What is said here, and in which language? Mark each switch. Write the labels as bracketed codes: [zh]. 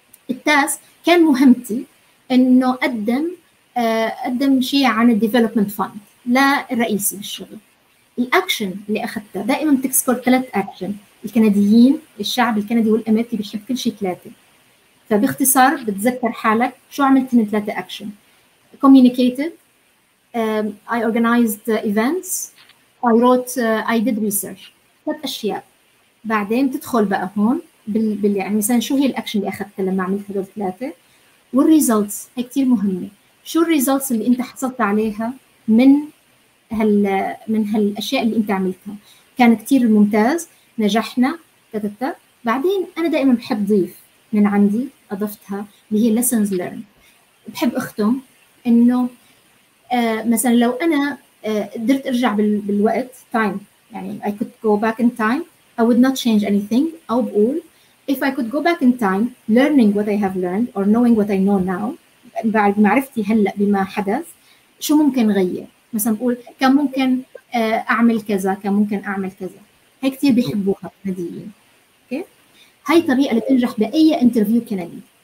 [ar] التاس كان مهمتي انه اقدم شيء عن الديفلوبمنت فند للرئيس بالشغل. الأكشن اللي أخذتها دائماً تكسكر 3 أكشن، الكنديين الشعب الكندي والأمريكي بيحب كل شيء 3، فباختصار بتذكر حالك شو عملت من 3 أكشن. [en] communicated, I organized events, I wrote, I did research. [ar] 3 أشياء. بعدين تدخل بقى هون باللي يعني مثلاً شو هي الأكشن اللي أخذتها لما عملت هدول 3، والresults هي كتير مهمة، شو الresults اللي أنت حصلت عليها من هالاشياء اللي انت عملتها، كان كتير ممتاز، نجحنا تتتت. بعدين انا دائما بحب ضيف من عندي اضفتها اللي هي [en] lessons learned. [ar] بحب اختم انه مثلا لو انا قدرت ارجع بالوقت time، يعني [en] I could go back in time I would not change anything. [ar] او بقول [en] if I could go back in time learning what I have learned or knowing what I know now، [ar] بعد معرفتي هلأ بما حدث شو ممكن غير. مثلا بقول كان ممكن اعمل كذا، كان ممكن اعمل كذا. هيك كثير بيحبوها الكنديين. اوكي، هاي طريقه لتنجح باي انترفيو كندي.